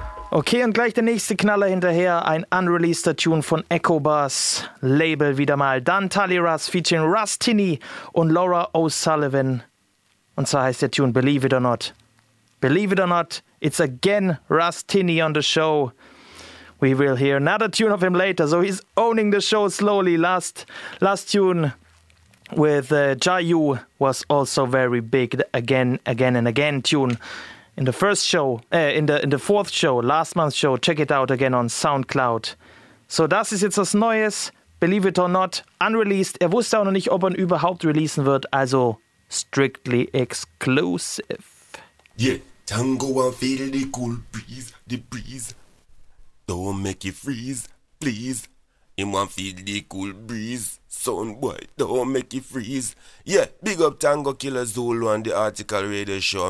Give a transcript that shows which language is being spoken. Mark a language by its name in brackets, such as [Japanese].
[German] Okay, und gleich der nächste Knaller hinterher, ein unreleaseder Tune von Echo Bass Label wieder mal. Dann Tully Russ featuring Russ Tinney und Laura O'Sullivan. Und zwar heißt der Tune Believe It or Not. [English] Believe It or Not, it's again Russ Tinney on the show. We will hear another tune of him later, so he's owning the show slowly. Last tune with Jayu was also very big, again and again tune. In the first show, in the fourth show, last month's show, check it out again on SoundCloud. [German] So das ist jetzt was Neues, Believe It or Not, unreleased. Er wusste auch noch nicht, ob er ihn überhaupt releasen wird, also [English] strictly exclusive. Yeah, Tango and feel the cool breeze, the breeze. Don't make it freeze, please. Him want feel the cool breeze, son boy, don't make it freeze. Yeah, big up Tango Killer Zulu and the Article Radio Show.